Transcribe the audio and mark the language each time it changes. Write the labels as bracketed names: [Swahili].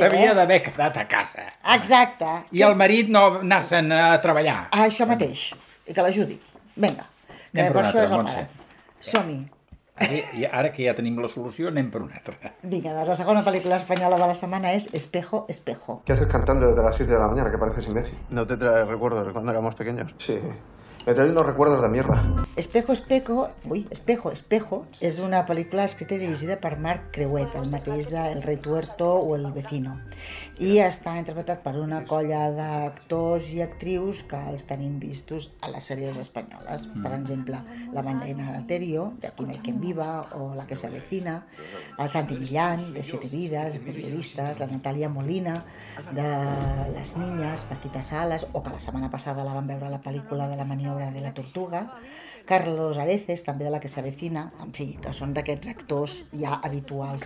[Catalan] S'havia d'haver quedat a casa. Exacte. I el marit no anar-se'n a treballar. Això mateix. I que l'ajudi. Vinga. Anem per un altre, Montse. Som-hi. Ara que ja tenim la solució, anem per una altra. Vinga, la segona pel·lícula espanyola de la setmana és Espejo, espejo. [Spanish] ¿Qué haces cantando desde las 7 de la mañana? Que pareces imbécil. ¿No te traes recuerdos de cuando éramos pequeños? Sí. Me traes unos recuerdos de mierda. Espejo, espejo... Uy, Espejo, espejo es una película escrita y dirigida por Marc Crehuet, [Catalan] el mateix de [Spanish] El rey tuerto o El vecino. [Catalan] I està interpretat per una colla d'actors i actrius que els tenim vistos a les sèries espanyoles. Per exemple, la Magdalena Alterio, de Quien es quien viva, o La que se avecina, el Santi Millán, de Siete vidas, periodistas, la Natalia Molina, de Las niñas, Paquita Salas, o que la setmana passada la van veure a la pel·lícula de La maniobra de la tortuga, Carlos Areces, també de La que se avecina, en fi, que són d'aquests actors ja habituals